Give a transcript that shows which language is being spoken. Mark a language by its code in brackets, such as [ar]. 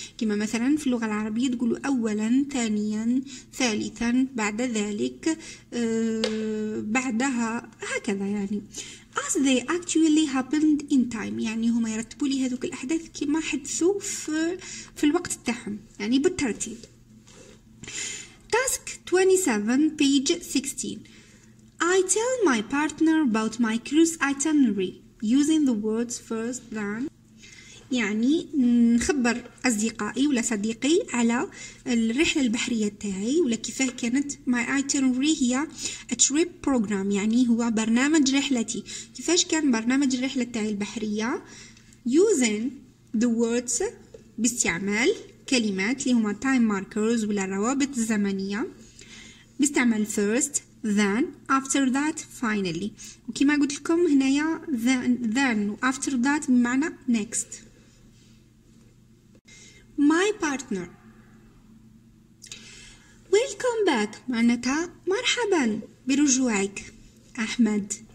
[ar] كما مثلا في اللغة العربية تقولوا أولا, ثانيا, ثالثا, بعد ذلك, بعدها, هكذا. يعني [en] as they actually happened in time, [ar] يعني هما يرتبوا لي هذوك الأحداث كما حدثوا في الوقت التحم, يعني بالترتيب. [en] Task 27 page 16. I tell my partner about my cruise itinerary using the words first then. [ar] يعني نخبر أصدقائي ولا صديقي على الرحلة البحرية تاعي ولا كيفاه كانت. [en] My itinerary [ar] هي [en] a trip program, [ar] يعني هو برنامج رحلتي. كيفاش كان برنامج الرحلة تاعي البحرية؟ [en] Using the words, [ar] باستعمال كلمات اللي هما [en] time markers [ar] ولا الروابط الزمنية. [en] باستعمال first, then, after that, finally. [ar] وكما قلت لكم هنا then و [en] after that [ar] بمعنى next. [en] My partner. Welcome back, [ar] معناتها مرحبا برجوعك أحمد.